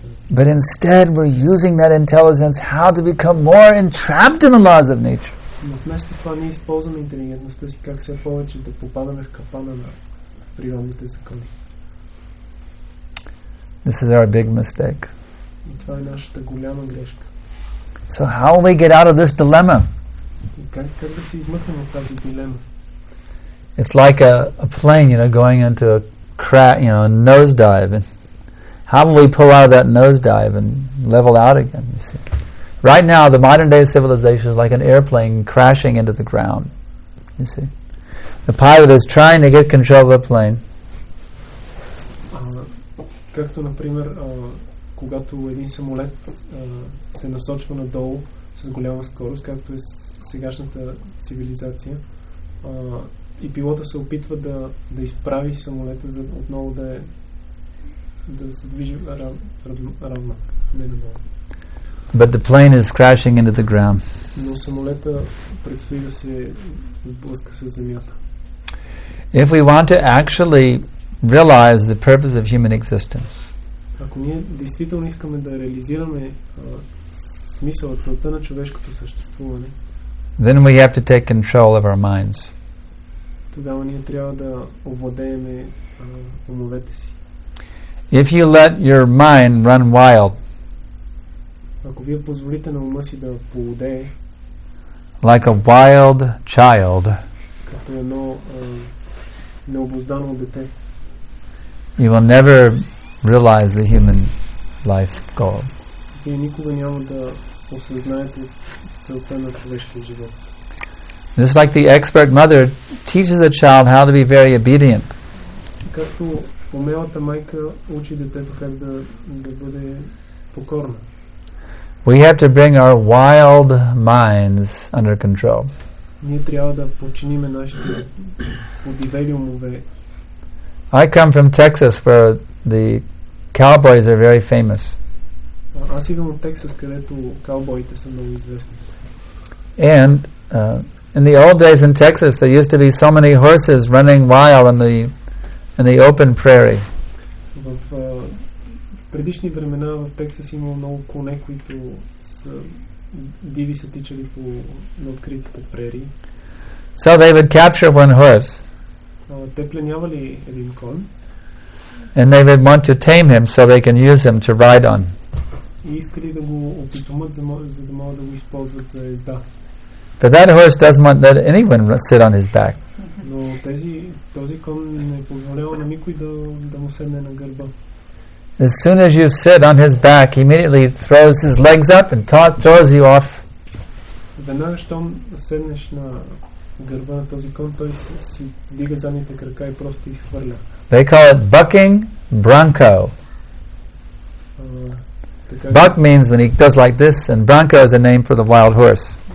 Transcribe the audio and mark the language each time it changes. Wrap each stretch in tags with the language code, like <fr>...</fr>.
<en>But instead we're using that intelligence how to become more entrapped in the laws of nature.</en> <bg>Но вместо това ние използваме интелигентността си как все повече да попадаме в капана на природните закони.</bg> <en>This is our big mistake.</en> <bg>Това е нашата голяма грешка.</bg> <en>So how will we get out of this dilemma?</en> <bg>Как да се измъкнем от тази дилема?</bg> <en>It's like a plane, you know, going into a crack, you know, a nosedive. And how will we pull out of that nosedive and level out again, you see? Right now, the modern day civilization is like an airplane crashing into the ground, you see? The pilot is trying to get control of the plane.</en> <bg>Както, например, когато един самолет се насочва надолу с голяма скорост, както е сегашната цивилизация, и пилота се опитва да изправи самолета, за отново да се движи равно, не надолу.</bg> <en>But the plane is crashing into the ground.</en> <bg>Но самолета предстои да се сблъска с земята.</bg> <en>If we want to actually realize the purpose of human existence.</en> <bg>Ако ние действително искаме да реализираме смисъла, целта на човешкото съществуване,</bg> <en>then we have to take control of our minds.</en> <bg>Тогава ние трябва да овладееме умовете си.</bg> <en>If you let your mind run wild,</en> <bg>ако вие позволите на ума си да полудее,</bg> <en>like a wild child,</en> <bg>като едно необуздано дете,</bg> <en>you will never realize the human life's goal.</en> <bg>Вие никога няма да осъзнаете целта на човешкия живот.</bg> <en>This is like the expert mother teaches a child how to be very obedient.</en> <bg>Както умелата майка учи детето как да бъде покорна.</bg> <en>We have to bring our wild minds under control.</en> <bg>Ние трябва да подчиним нашите удивели умове.</bg> <en>I come from Texas where the cowboys are very famous.</en> <bg>Аз идвам от Тексас, където каубоите са много известни.</bg> <en>And in the old days in Texas there used to be so many horses running wild in the open prairie.</en> <bg>В предишни времена в Тексас имало много коне, които са диви се тичали по откритите прерии.</bg> <en>So they would capture one horse.</en> <bg>Те пленявали един кон.</bg> <en>And they would want to tame him so they can use him to ride on.</en> <bg>И искали да го опитомат, за да могат да го използват за езда.</bg> <en>But that horse doesn't want that anyone sit on his back.</en> <bg>Но този кон не позволява на никой да му седне на гърба.</bg> <en>As soon as you sit on his back, he immediately throws his legs up and throws you off.</en> <bg>Веднага щом седнеш на гърба на този кон, той си вдига задните крака и просто изхвърля.</bg> <en>They call it bucking bronco. Buck means when he does like this, and bronco is a name for the wild horse.</en>